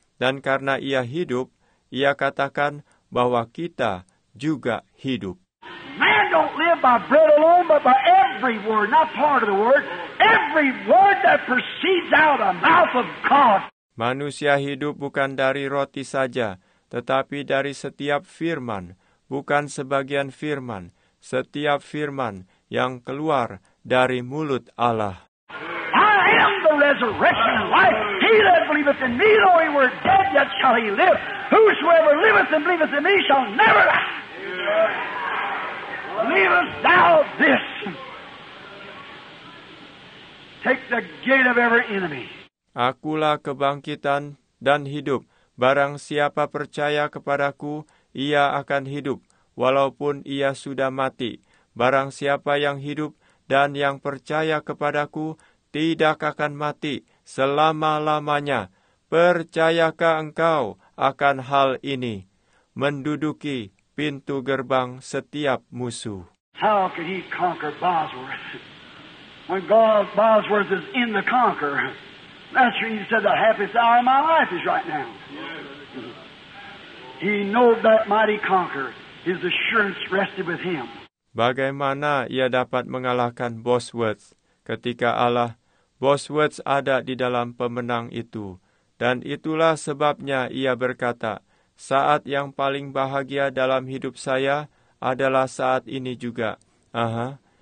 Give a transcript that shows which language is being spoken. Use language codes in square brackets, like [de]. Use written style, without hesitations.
[id] Dan karena Ia hidup, Ia katakan bahwa kita juga hidup. [en] Man don't live by bread alone, but by every word, not part of the word, every word that proceeds out of the mouth of God. [id] Manusia hidup bukan dari roti saja, tetapi dari setiap firman, bukan sebagian firman, setiap firman yang keluar dari mulut Allah. [en] I am the resurrection and life. He that believeth in me, though he were dead, yet shall he live. Whosoever liveth and believeth in me shall never die. Leavest thou this? Take the gate of every enemy. [id] Akulah kebangkitan dan hidup. Barang siapa percaya kepadaku, ia akan hidup, walaupun ia sudah mati. Barang siapa yang hidup dan yang percaya kepadaku, tidak akan mati selama-lamanya. Percayakah engkau akan hal ini? Menduduki pintu gerbang setiap musuh. [en] How can he conquer Bosworth? When God, Bosworth is in the conqueror. That's where he said the happiest hour of my life is right now. He knows that mighty conqueror. His assurance rested with him. [id] Bagaimana ia dapat mengalahkan Bosworth ketika Allah, Bosworth ada di dalam pemenang itu. Dan itulah sebabnya ia berkata, saat yang paling bahagia dalam hidup saya adalah saat ini juga. Aha.